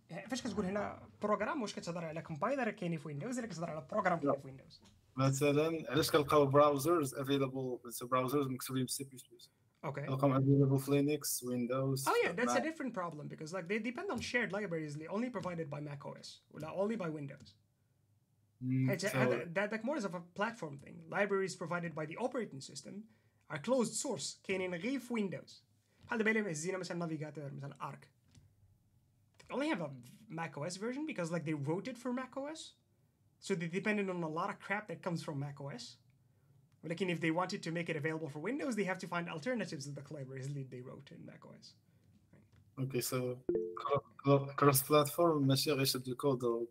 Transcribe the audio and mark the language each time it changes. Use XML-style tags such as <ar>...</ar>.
<ar>فاش كتقول هنا بروغرام واش كتهضر على كومبايلر كاين في ويندوز ولا كتهضر على بروغرام كاين في ويندوز؟ مثلا علاش كنلقاو براوزرز افيلابل براوزرز مكتوبين في سي بلس بلس؟</ar> <en>Okay.</en> <ar>كنلقاو افيلابل في لينكس ويندوز.</ar> <en>Oh yeah, that's a different problem because like they depend on shared libraries only provided by Mac OS ولا only by Windows. That like more is of a platform thing. Libraries provided by the operating system are closed source</en> <ar>كاينين غير في ويندوز. هذا بالي مهزينا مثلا نافيغاتور مثلا ارك.</ar> <en>Only have a macOS version because like they wrote it for macOS, So they depended on a lot of crap that comes from macOS. Like, if they wanted to make it available for Windows, they have to find alternatives to the libraries that they wrote in macOS. Right. Okay, so cross-platform, machine reached the code or</en>